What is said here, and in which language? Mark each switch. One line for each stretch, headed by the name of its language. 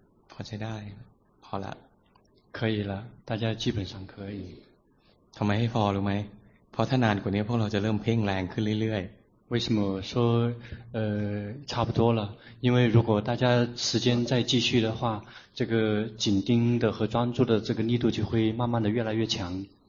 Thai: พอใช้ได้พอละ
Chinese: 可以了大家基本上可以
Thai: ทำไมให้พอรู้ไหมเพราะถ้านานกว่านี้พวกเราจะเริ่มเพ่งแรงขึ้นเรื่อยๆ
Chinese: 为什么说差不多了？因为如果大家时间再继续的话，这个紧盯的和专注的这个力度就会慢慢的越来越强。